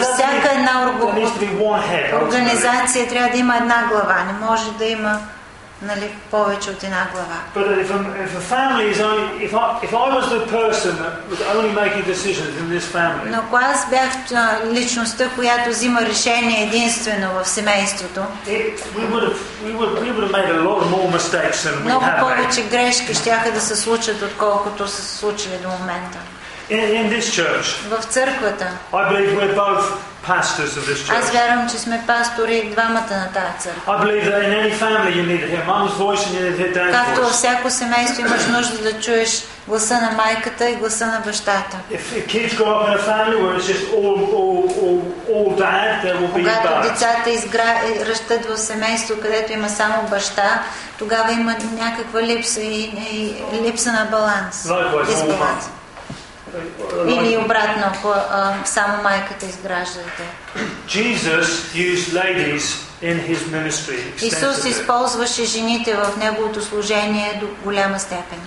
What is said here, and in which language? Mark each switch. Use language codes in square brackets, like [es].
[bg] всяка една организация трябва да има една глава, не може да има, нали, повече от една глава. [en] But if a family is only, if I was the person that was only making decisions in this family. [bg] Но ако аз бях личността, която взима решение единствено в семейството. [en] We would have made a lot more mistakes than we have. [bg] Много повече грешки щяха да се случат, отколкото са се случили до момента. [en] In this church. [bg] В църквата. [en] I believe we're both pastors of this church. [bg] Аз вярвам, че сме пастори двамата на тази църква. [en] I believe that in any family you need to hear mom's voice and you need to hear dad's voice. [bg] Както във всяко семейство имаш нужда да чуеш гласа на майката и гласа на бащата. [en] If kids grow up in a family where it's just all dad, there will be bad. [bg] Когато децата растат в семейство, където има само баща, тогава има някаква липса и липса на баланс. Избаланс. Или обратно, ако само майката изграждате. [en] Jesus used ladies in his ministry. [bg] Исус използваше жените в неговото служение до голяма степен.